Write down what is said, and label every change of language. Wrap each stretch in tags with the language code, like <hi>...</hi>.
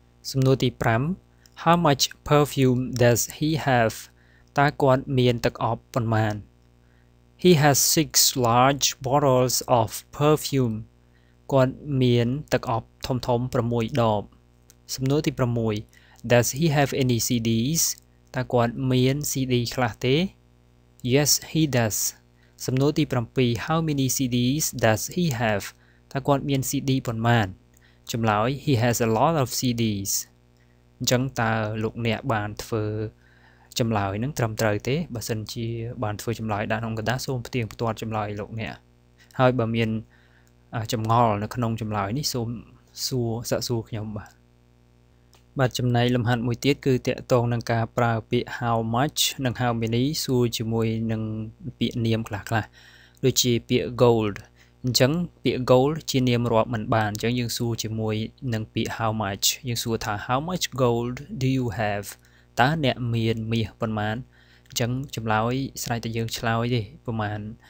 <km>សំណួរទី5</km> <en>how much perfume does he have</en> <km>តើគាត់មានទឹកអបប៉ុន្មាន</km> <en>he has 6 large bottles of perfume</en> <km>គាត់មានទឹកអបធំធំ6ដបសំណួរទី6</km> <en>does he have any cds</en> <km>តើគាត់មាន CD ខ្លះទេ?</km> <en>Yes, he does.</en> <km>សំណួរទី7</km> <en>How many CDs does he have?</en> <km>តើគាត់មាន CD ប៉ុន្មាន?</km> <en>ចម្លើយ He has a lot of CDs.</en> <km>អញ្ចឹងតើលោកអ្នកបានធ្វើចម្លើយនឹងត្រឹមត្រូវទេ? បើសិនជាបានធ្វើចម្លើយដាក់ក្នុងកណ្ដាសសូមផ្ទៀងផ្ទាត់ចម្លើយលោកអ្នក។ហើយបើមានចម្ងល់នៅក្នុងចម្លើយនេះសូមសួរសាកសួរខ្ញុំបាទ ។បាទចំណែកលំហាត់មួយទៀតគឺតាក់ទងនឹងការប្រើពាក្យ how much និង how many សួរជាមួយនឹងពាក្យនាមខ្លះខ្លះដូចជាពាក្យ gold អញ្ចឹងពាក្យ gold ជានាមរាប់មិនបានអញ្ចឹងយើងសួរជាមួយនឹងពាក្យ how much យើងសួរថា</km> <en>how much gold do you have</en> <km>តើអ្នកមានមាសប៉ុន្មានអញ្ចឹងចម្លើយស្រេចតែយើងឆ្លើយទេប្រហែល</km>